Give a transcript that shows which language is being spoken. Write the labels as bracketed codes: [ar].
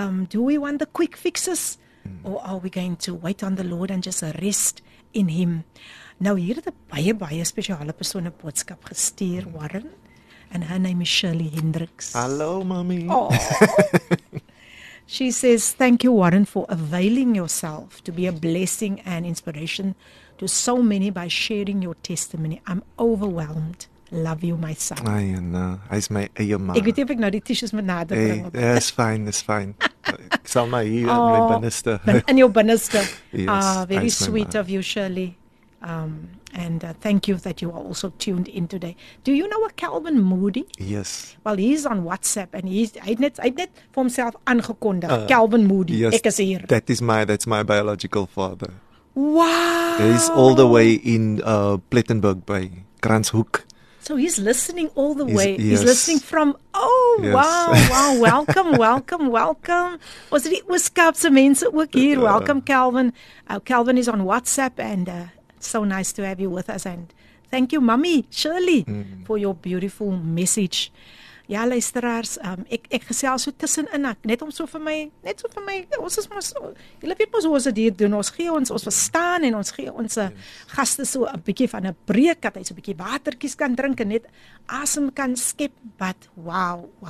[en] Do we want the quick fixes, or are we going to wait on the Lord and just rest in Him? [af] Nou, hier het 'n baie, baie spesiale persoon 'n boodskap gestuur, Warren. [en] And her name is Shirley Hendricks. Hallo, mommy. Oh. She says, thank you, Warren, for availing yourself to be a blessing and inspiration to so many by sharing your testimony. I'm overwhelmed. Love you, my son. [af] Ay, no. Hy is my eie ma. Ek weet nie of ek nou die tissues moet nader bring. [en] Hey, it's fine. [af] Ek sal my hier in my binneste. [en] In your binneste. Yes, very sweet of you, Shirley. Thank you that you are also tuned in today. Do you know a Calvin Moody? Yes. Well, he's on WhatsApp, and he's for himself aangekondig. Calvin Moody, yes, [af] ek is hier. [en] That's my biological father. Wow. He's all the way in Plettenberg Bay, Grantshoek. So he's listening all the way. Yes. He's listening from, wow, welcome. [af] Was it Ooskaapse mense ook hier? [en] Welcome, [af] Calvin. [en] Calvin is on WhatsApp, and so nice to have you with us. And thank you, Mommy Shirley, for your beautiful message. [af] Ja, luisteraars, ek gesels so tussenin, net so vir my, ons is mos, julle weet mos hoe ons dit doen, ons verstaan en ons gee ons gaste so 'n bietjie van 'n breek, dat hy so 'n bietjie watertjies kan drink en net asem kan skep, [en] but wow.